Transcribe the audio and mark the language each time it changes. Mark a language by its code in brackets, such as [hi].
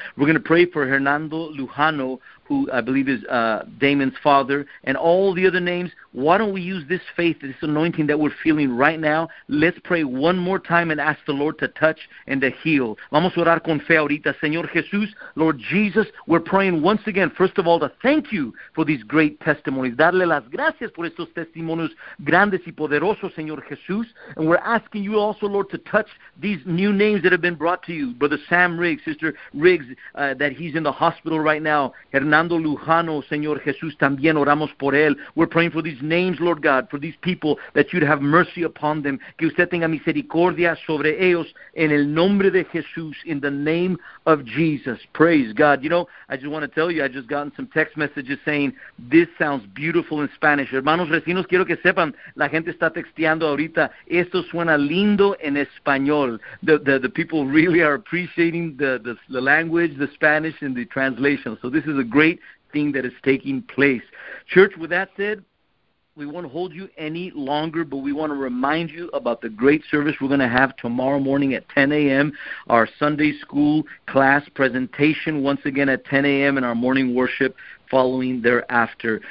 [en] We're going to pray for Hernando Lujano, who I believe is Damon's father, and all the other names. Why don't we use this faith, this anointing that we're feeling right now? Let's pray one more time and ask the Lord to touch and to heal. [es] Vamos a orar con fe ahorita. Señor Jesús, [en] Lord Jesus, we're praying once again, first of all, to thank you for these great testimonies. [es] Darle las gracias por estos testimonios grandes y poderosos, Señor Jesús. [en] And we're asking you also, Lord, to touch these new names that have been brought to you. Brother Sam Riggs, Sister Riggs, that he's in the hospital right now. [es] Hernando Lujano, Señor Jesús, también oramos por él. [en] We're praying for these names, Lord God, for these people, that you'd have mercy upon them. [es] Que usted tenga misericordia sobre ellos en el nombre de Jesús, [en] in the name of Jesus. Praise God. You know, I just want to tell you, I just gotten some text messages saying, this sounds beautiful in Spanish. [es] Hermanos vecinos, quiero que sepan, la gente está texteando ahorita, esto suena lindo en español. [en] The people really are appreciating the language, the Spanish, and the translation. So this is a great thing that is taking place. Church, with that said, we won't hold you any longer, but we want to remind you about the great service we're going to have tomorrow morning at 10 a.m., our Sunday school class presentation once again at 10 a.m., and our morning worship following thereafter.